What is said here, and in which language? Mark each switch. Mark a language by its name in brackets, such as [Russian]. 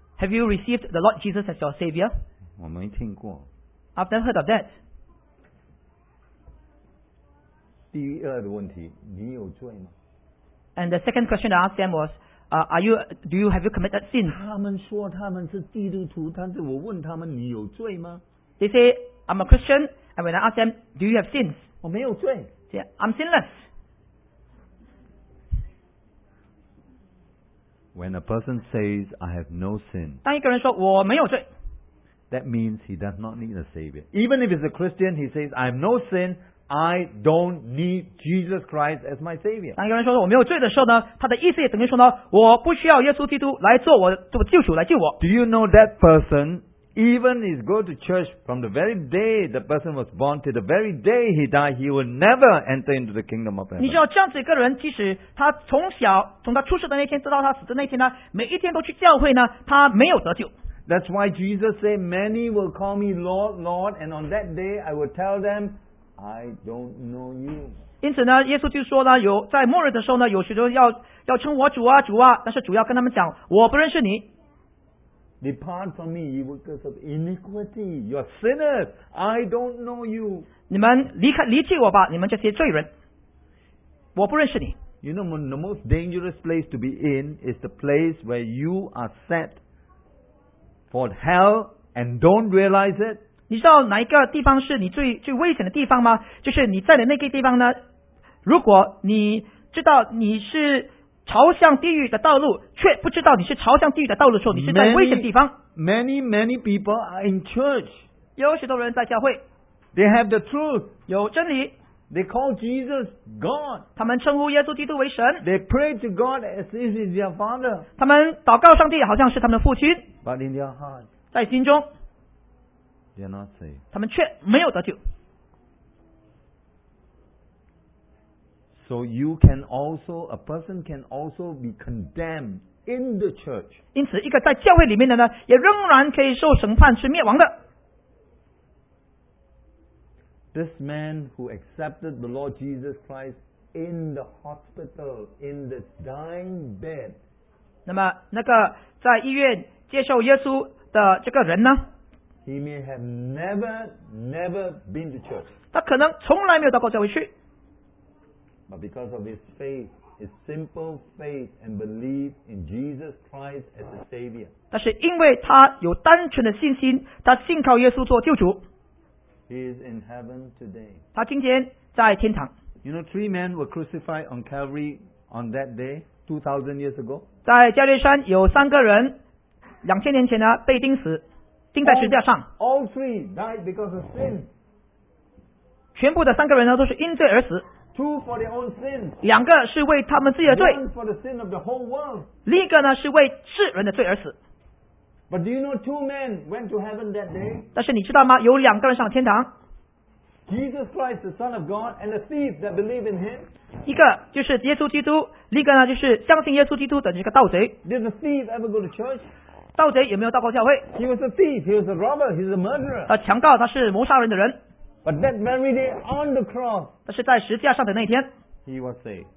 [English] Have you received the Lord Jesus as your Savior? [Chinese] 我没听过。 [English] I've never heard of that. [Chinese] 第二的问题, 你有罪吗? [English] And the second question I asked them was, have you committed sin? [Chinese] 他们说他们是基督徒, 但是我问他们你有罪吗? [English] They say, I'm a Christian, and when I ask them, do you have sins? [Chinese] 我没有罪。 [English] They say, I'm sinless. When a person says, I have no sin, [Chinese] 当一个人说我没有罪, [English] that means he does not need a Savior. Even if he's a Christian, he says, I have no sin, I don't need Jesus Christ as my Savior. [Chinese] 当有人说我没有罪的时候呢, 他的意思也等于说呢, 我不需要耶稣基督来做我救主来救我。 [English] Do you know that person, even if he's going to church from the very day the person was born to the very day he died, he will never enter into the kingdom of heaven. [Chinese] 你知道这样子一个人, 即使他从小, 从他出世的那天直到他死的那天呢, 每一天都去教会呢, 他没有得救。 [English] That's why Jesus said, many will call me Lord, Lord, and on that day I will tell them, I don't know you. [Chinese] 因此呢, 耶稣就说呢, 有, 在末日的时候呢, 有许多要, 要称我主啊, 主啊, 但是主要跟他们讲, 我不认识你。 [English] Depart from me, you workers of iniquity. You are sinners. I don't know you. [Chinese] 你们离开, 离弃我吧, 你们这些罪人, 我不认识你。 [English] You know, the most dangerous place to be in is the place where you are set for hell and don't realize it. [Chinese] 你知道哪一个地方是你最最危险的地方吗？就是你在的那个地方呢，如果你知道你是朝向地狱的道路，却不知道你是朝向地狱的道路的时候，你是在危险的地方。 [English] Many people are in church. [Chinese] 有许多人在教会。 [English] They have the truth. [Chinese] 有真理。 [English] They call Jesus God. [Chinese] 他们称呼耶稣基督为神。 [English] They pray to God as if he is their father. [Chinese] 他们祷告上帝好像是他们的父亲。 [English] But in their heart, [Chinese] 在心中。 [English] They are not saved. [Chinese] 他们却没有得救。 [English] So you can also, a person can also be condemned in the church. [Chinese] 因此一个在教会里面的呢，也仍然可以受审判是灭亡的。 [English] This man who accepted the Lord Jesus Christ in the hospital, in the dying bed. [Chinese] 那么那个在医院接受耶稣的这个人呢？ [English] He may have never been to church. [Chinese] 他可能从来没有到过教会去。 [English] But because of his faith, his simple faith and belief in Jesus Christ as the Savior. [Chinese] 但是因为他有单纯的信心，他信靠耶稣做救主。 [English] He is in heaven today. [Chinese] 他今天在天堂。 [English] You know, three men were crucified on Calvary on that day, 2,000 years ago. [Chinese] 在加略山有三个人，两千年前呢被钉死，钉在十字架上。 [English] All three died because of sin. [Chinese] 全部的三个人呢都是因罪而死。 [English] Two for their own sin. [Chinese] 两个是为他们自己的罪。 [English] One for the sin of the whole world. [Chinese] 另一个呢是为世人的罪而死。 [English] But do you know two men went to heaven that day? [Chinese] 但是你知道吗？有两个人上了天堂。 [English] Jesus Christ, the Son of God, and the thieves that believe in Him. [Chinese] 一个就是耶稣基督，另一个呢就是相信耶稣基督的这个盗贼。 [English] Did the thief ever go to church? [Chinese] 盗贼有没有到过教会？ [English] He was a thief. He was a robber. He was a murderer. [Chinese] 他强盗，他是谋杀人的人。 [English] But that very day on the cross, [Chinese] 但是在十字架上的那一天， [English] he was saved.